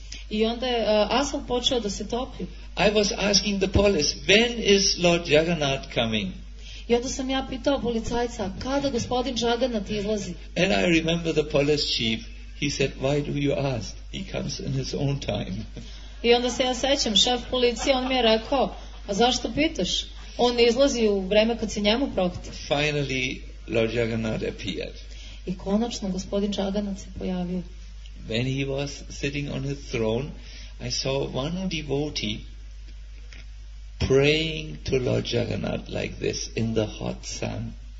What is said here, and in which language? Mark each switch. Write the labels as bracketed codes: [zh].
[sr] I onda je asfalt počeo da se topi. [en] I was asking the police, when is Lord Jagannath coming? [sr] I onda sam ja pitao policajca, kada gospodin Jagannath izlazi? [en] And I remember the police chief, he said, why do you ask? He comes in his own time. [sr] I onda se ja sećam, šef policije, on mi je rekao, a zašto pitaš? On izlazi u vreme kad se njemu prohte. [en] Finally, Lord Jagannath appeared. [sr] I konačno gospodin Jagannath se pojavio. [en] When he was sitting on his throne, I saw one devotee praying to Lord Jagannath like this in the hot sun.